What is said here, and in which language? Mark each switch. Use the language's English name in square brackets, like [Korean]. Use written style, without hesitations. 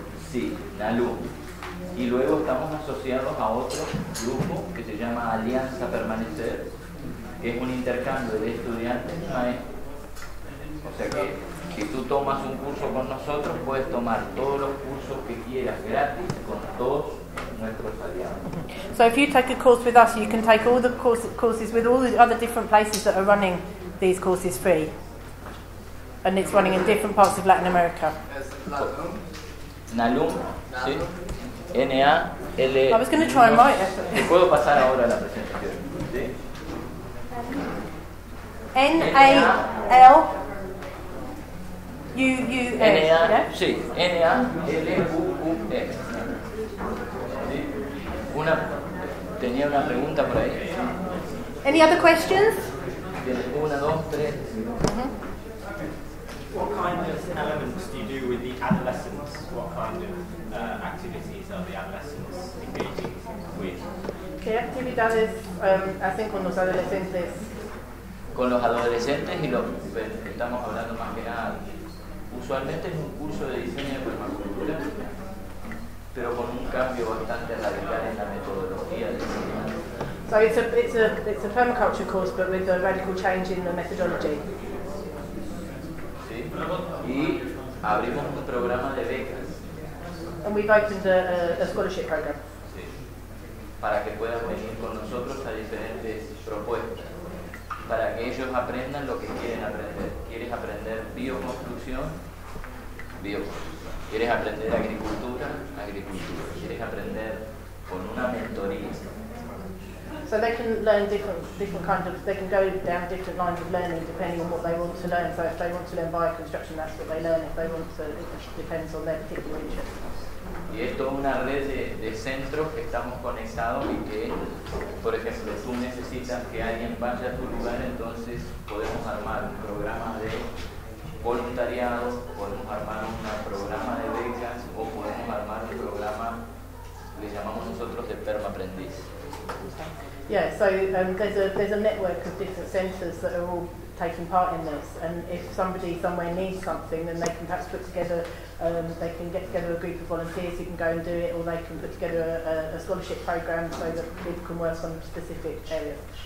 [Spanish] Sí, Nalu. Y luego estamos asociados a otro grupo que se llama Alianza Permanecer. Es un intercambio de estudiantes, maestros. O sea que si tú tomas un curso con nosotros, puedes tomar todos los cursos que quieras gratis con todos nuestros aliados. [English] So if you take a course with us, you can take all the courses with all the other different places that are running these courses free. And it's running in different parts of Latin America. [Spanish] Nalum, sí. N-A-L. [English] I was going to try and write it. [Spanish] Puedo pasar ahora la presentación. N-A-L-U-U-S. N-A-L-U-U-S. Sí, N-A-L-U-U-S. Sí. Una Tenía una pregunta por ahí. [English] Any other questions? [Spanish] Una, dos, tres. Mm-hmm. [English] What kind of elements do you do with the adolescents? What kind of activities are the adolescents engaging with? [Spanish] ¿Qué actividades hacen con los adolescentes? Con los adolescentes y los que estamos hablando más que nada. Usualmente es un curso de diseño de permacultura, pero con un cambio bastante radical en la metodología de diseño. [English] So it's a permaculture course, but with a radical change in the methodology. [Spanish] Sí. Y abrimos un programa de becas. [English] And we've opened a scholarship program. [Spanish] Sí. Para que puedan venir con nosotros a diferentes propuestas. Para que ellos aprendan lo que quieren aprender. ¿Quieres aprender bioconstrucción? Bioconstrucción. ¿Quieres aprender agricultura? Agricultura. ¿Quieres aprender con una mentoría? [English] So they can learn different kinds of, they can go down different lines of learning depending on what they want to learn. So if they want to learn bioconstruction, that's what they learn. If they want to, it depends on their particular interests. [Spanish] Y esto es una red de centros que estamos conectados y que, por ejemplo, tú necesitas que alguien vaya a tu lugar, entonces podemos armar un programa de voluntariado, podemos armar un programa de becas o podemos armar un programa que llamamos nosotros de permaprendiz. [English] Yeah, so there's a network of different centers that are all taking part in this, and if somebody somewhere needs something, then they can perhaps put together, they can get together a group of volunteers who can go and do it, or they can put together a scholarship program so that people can work on a specific area.